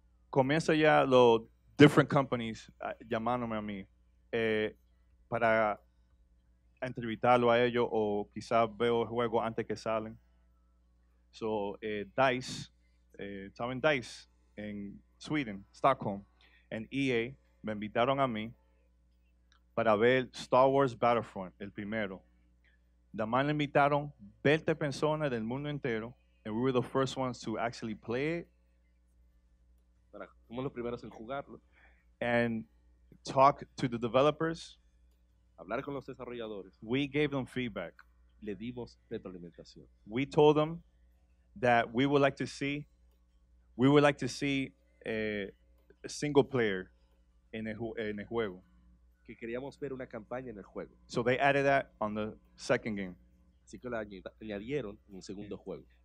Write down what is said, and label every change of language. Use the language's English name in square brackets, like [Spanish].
[Spanish] Comienza ya los [English] different companies [Spanish] llamándome a mí para entrevistarlo a ellos o quizás veo el juego antes que salen. So, DICE, estaba en DICE, en Sweden, Stockholm, en EA, me invitaron a mí para ver Star Wars Battlefront, el primero. Además, me invitaron 20 personas del mundo entero, [English] and we were the first ones to actually play it. [Spanish] Para, somos los primeros en jugarlo. [English] And talk to the developers. [Spanish] Hablar con los desarrolladores. [English] We gave them feedback. [Spanish] Le dimos retroalimentación. [English] We told them that we would like to see a single player in [Spanish] el juego. Que queríamos ver una campaña en el juego. [English] So they added that on the second game. [Spanish] Así que la añadieron en un segundo juego.